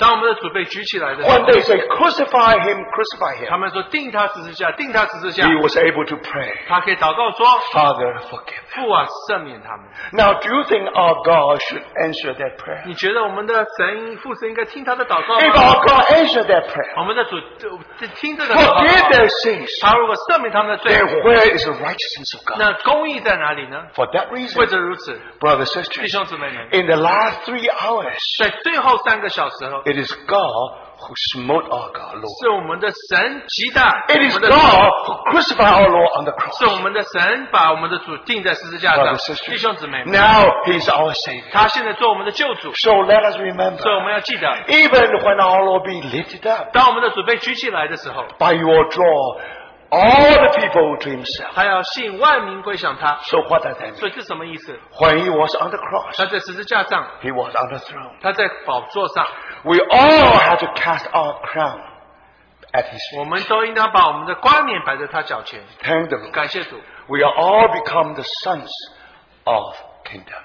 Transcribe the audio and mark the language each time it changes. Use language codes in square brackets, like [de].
[zh] 当我们的主被举起来的时候, [en] when they say crucify him, [zh] 他们说, 定他十字架, 定他十字架, [en] he was able to pray, [zh] 他可以祷告说, [en] Father, forgive them. [zh] 父啊, 赦免他们。 [en] Now, do you think our God should answer that prayer? [zh] 你觉得我们的神, 父神应该听他的祷告吗? [en] If our God answered that prayer, [zh] 我们的主, 听这个祷告吗? [en] Forgive their sins. Where is the righteousness of God? [zh] 那公义在哪里呢? [en] For that reason, [zh] 为着如此, [en] brothers and sisters, [zh] 弟兄姊妹们, [en] in the last 3 hours, [zh] 在最后三个小时候, [en] it is God who smote our God, Lord. [zh] 是我们的神击打, [en] it is God who crucified our Lord on the cross. [zh] 是我们的神把我们的主钉在十字架上, [en] brothers and sisters, [zh] 弟兄姊妹们, [en] now He is our Savior. [zh] 他现在做我们的救主, [en] so let us remember, [zh] 所以我们要记得, [en] even when our Lord be lifted up, [zh] 当我们的主被举起来的时候, [en] by your draw, all the people to himself. [zh] 他要吸引万民归向他, [en] so what does that mean? [zh] 所以是什么意思? [en] When he was on the cross, [zh] 他在十字架上, [en] he was on the throne. [zh] 他在宝座上, [en] we all have to cast our crown at his feet. [zh] 我们都应当把我们的冠冕摆在他脚前, [en] thank the Lord. [zh] 感谢主, [en] we are all become the sons of kingdom.